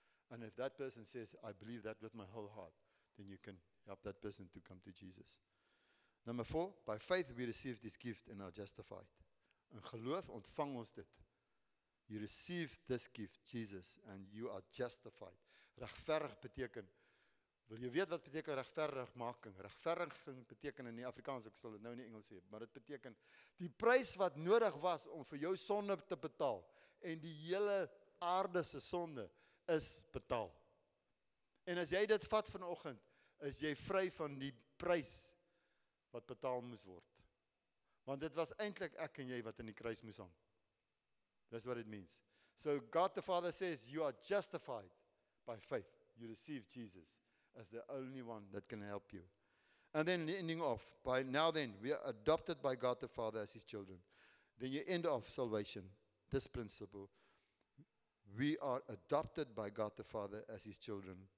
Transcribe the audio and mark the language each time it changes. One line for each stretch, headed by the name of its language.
English: And if that person says, I believe that with my whole heart, then you can help that person to come to Jesus. Number four, by faith we receive this gift and are justified.
Afrikaans: In geloof ontvang ons dit.
English: You receive this gift, Jesus, and you are justified.
Afrikaans: Regverdig beteken, wil jy weet wat beteken regverdigmaking? Regverdiging beteken in die Afrikaans, ek sal dit nou in die Engels sê, maar dit beteken die prys wat nodig was om vir jou sonde te betaal en die hele aarde se sonde is betaal. En as jy dit vat vanoggend, is jy vry van die prys wat betaal moes word. Want dit was eintlik ek en jy wat in die kruis moes hang.
English: That's what it means. So God the Father says, you are justified by faith. You receive Jesus as the only one that can help you. And then ending off, by now then, we are adopted by God the Father as his children. Then you end off salvation, this principle. We are adopted by God the Father as his children.